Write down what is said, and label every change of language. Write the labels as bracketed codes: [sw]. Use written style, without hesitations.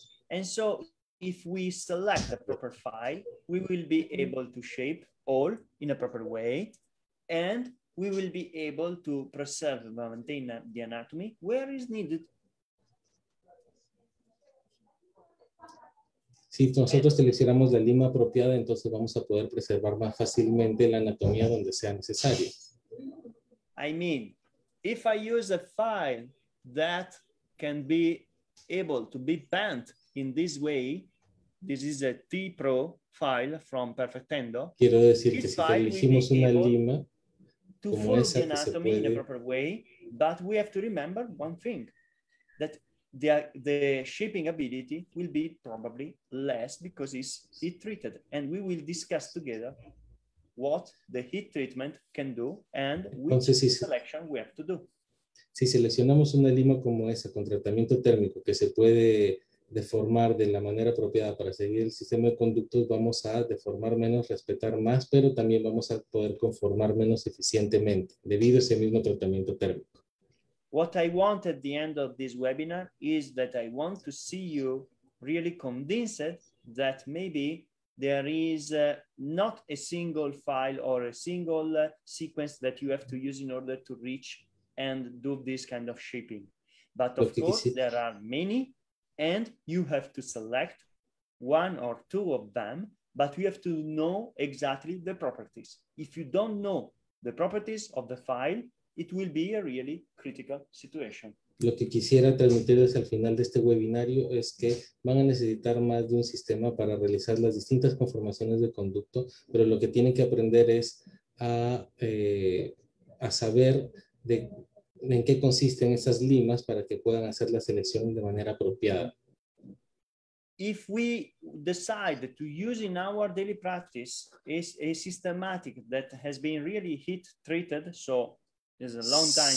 [en] And so if we select a proper file, we will be able to shape all in a proper way, and we will be able to preserve and maintain the anatomy where is needed. [es] Si nosotros seleccionamos la lima apropiada, entonces vamos a poder preservar más fácilmente la anatomía donde sea necesario. [en] I mean, if I use a file that can be able to be bent in this way, this is a T-Pro file from Perfect Endo. [es] Quiero decir que si elegimos una lima como esa, que se puede... [en] in a proper way, but we have to remember one thing, that the shaping ability will be probably less because it's heat treated, and we will discuss together what the heat treatment can do and which selection we have to do. [es] Si seleccionamos una lima como esa con tratamiento térmico que se puede deformar de la manera apropiada para seguir el sistema de conductos, vamos a deformar menos, respetar más, pero también vamos a poder conformar menos eficientemente debido a ese mismo tratamiento térmico. [en] What I want at the end of this webinar is that I want to see you really convinced that maybe there is not a single file or a single sequence that you have to use in order to reach and do this kind of shaping. But of course, there are many, and you have to select one or two of them, but you have to know exactly the properties. If you don't know the properties of the file, it will be a really critical situation. [es] Lo que quisiera transmitirles al final de este webinario es que van a necesitar más de un sistema para realizar las distintas conformaciones de conducto, pero lo que tienen que aprender es a saber de en qué consisten esas limas para que puedan hacer la selección de manera apropiada. [en] If we decide to use in our daily practice is a systematic that has been really heat treated, so is a long time.